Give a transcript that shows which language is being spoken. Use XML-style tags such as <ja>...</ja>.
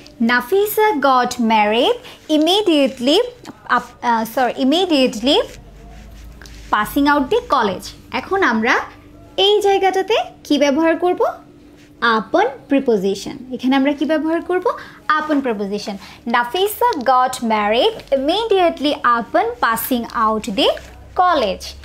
<en>Nafisa got married immediately immediately passing out the college.</en> <bn>এখন আমরা এই জায়গাটাতে কি ব্যবহার করব? আপন প্রিপোজিশন। এখানে আমরা কি ব্যবহার করব? আপন preposition.</bn> <en>Nafisa got married immediately upon passing out the college.</en>